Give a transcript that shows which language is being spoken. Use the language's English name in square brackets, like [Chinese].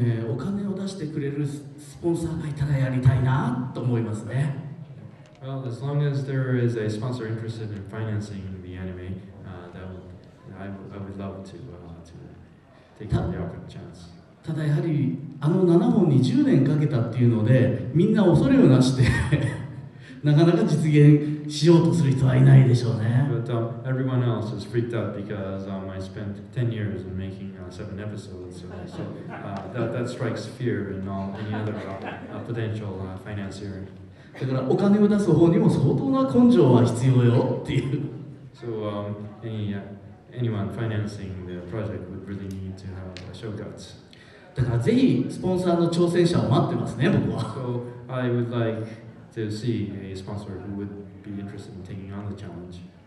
[Japanese] お金を出してくれるスポンサーがいたらやりたいなと思いますね。 [English] Well, as long as there is a sponsor interested in financing the anime, I would love to take the opportunity chance. [Japanese] ただやはりあの7本に10年かけたっていうので、みんな恐れをなしてなかなか実現しようとする人はいないでしょうね。 [English] But everyone else is freaked out because I spent 10 years in making 7 episodes. So that strikes fear in any other potential financier. [Japanese] だからお金を出す方にも相当な根性は必要よっていう。 [English] So anyone financing the project would really need to have a show guts. [Japanese] だからぜひスポンサーの挑戦者を待ってますね、僕は。 [English] So I would like to see a sponsor who would be interested in taking on the challenge.